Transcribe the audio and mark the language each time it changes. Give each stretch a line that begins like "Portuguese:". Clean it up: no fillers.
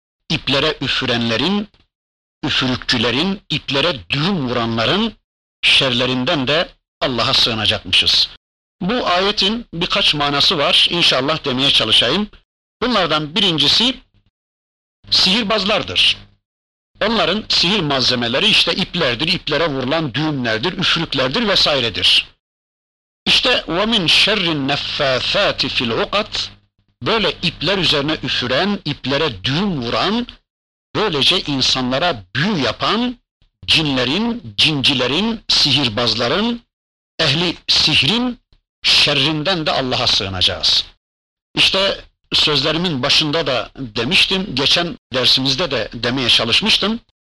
Turkish: İplere üfürenlerin, üfürükçülerin, iplere düğüm vuranların şerlerinden de Allah'a sığınacakmışız. Bu ayetin birkaç manası var, inşallah demeye çalışayım. Bunlardan birincisi sihirbazlardır. Onların sihir malzemeleri işte iplerdir, iplere vurulan düğümlerdir, üfürüklerdir vesairedir.
Arabic: İşte وَمِنْ شَرِّ النَّفَّاثَاتِ فِي الْعُقَدِ.
Turkish: Böyle ipler üzerine üfüren, iplere düğüm vuran, böylece insanlara büyü yapan cinlerin, cincilerin, sihirbazların, ehli sihrin şerrinden de Allah'a sığınacağız. İşte sözlerimin başında da demiştim, geçen dersimizde de demeye çalışmıştım.